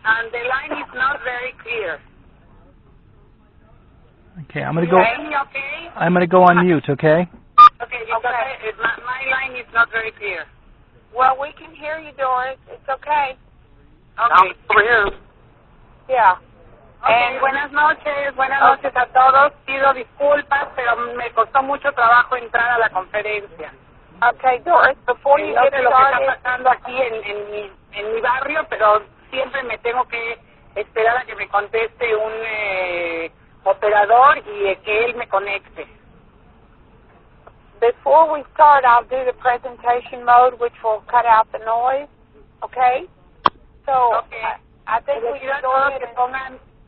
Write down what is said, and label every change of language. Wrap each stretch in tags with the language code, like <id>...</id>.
<en>The line is not very clear. Okay, I'm going to go. Can you hear me okay? I'm going to go on mute, okay? Okay, my line is not very clear. Well, we can hear you, Doris. It's okay. Okay. I'm over here. Yeah. Okay.</en> <es>And buenas noches a todos. Pido disculpas, pero me costó mucho trabajo entrar a la conferencia.</es> <en>Okay, Doris, before you get started.</en> <es>Lo que está pasando aquí en mi barrio, pero siempre me tengo que esperar a que me conteste un operador y que él me conecte.</es> <en>before we start, I'll do the presentation mode, which will cut out the noise. Okay? So, okay. I think we can go ahead and...</en>